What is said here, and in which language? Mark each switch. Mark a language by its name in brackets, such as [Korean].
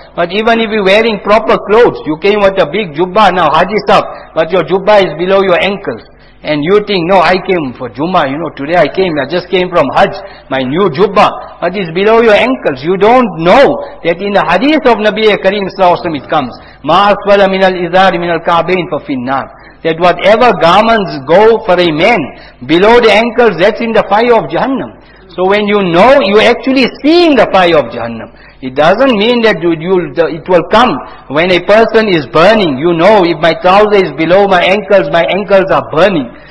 [English] But even if you're wearing proper clothes, you came with a big jubba, now haji sahab, but your jubba is below your ankles. And you think, no, I came for jumma, you know, today I just came from hajj, my new jubba. But it's below your ankles. You don't know that in the hadith of Nabi Kareem s.a.w. it comes, [Arabic] مَا أَصْوَلَ مِنَ الْإِذَارِ مِنَ الْكَعْبَيْنِ فَفِي النَّارِ. [English] That whatever garments go for a man below the ankles, that's in the fire of Jahannam. So when you know, you actually seeing the fire of Jahannam. It doesn't mean that it will come when a person is burning. You know, if my trousers is below my ankles are burning.